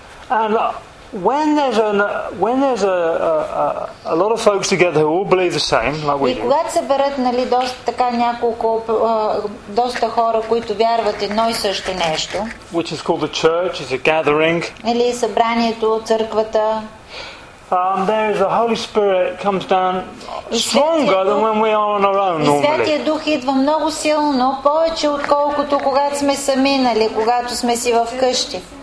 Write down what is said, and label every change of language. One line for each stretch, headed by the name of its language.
English: And when there's a lot of folks together who all believe the same, like we do.
Bulgarian: И когато се берат, нали, доста така няколко доста хора, които вярват едно и също нещо.
English: Which is called the church, is a gathering.
Bulgarian: Или събранието, църквата.
English: There is the Holy Spirit comes down stronger than when we are on our own normally.
Bulgarian: Святия Дух идва много силно, повече отколкото когато сме сами, нали, когато сме си вкъщи.